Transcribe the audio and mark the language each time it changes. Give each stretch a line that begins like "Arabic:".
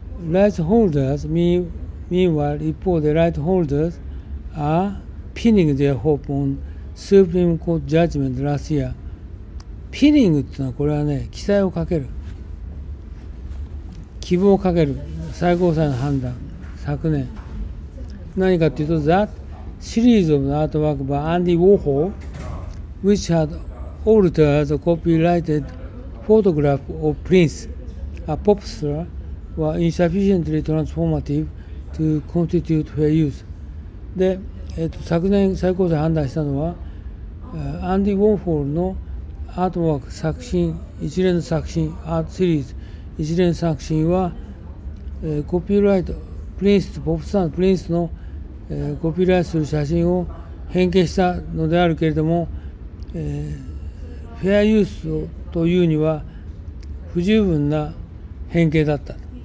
English: ライトホルダーズ、meanwhile、
Japanese: 一方で
English: ライトホルダーズ are pinning their hope on Supreme Court judgment last year。
Japanese: ピニングというのはこれはね、記載をかける、希望をかける、最高裁の判断、昨年。何かというと、
English: That series of artwork by Andy Warhol, which had altered the copyrighted photograph of Prince, a pop star, were insufficiently transformative to constitute fair use.
Japanese: で、昨年最高裁判断したのは、Andy Warhol のアートワーク、作品、一連の作品、アートシリーズ、一連の作品は、コピーライト、プリンスとポップスターのプリンスの、コピーライトする写真を変形したのであるけれども、フェアユースというには不十分な変形だった。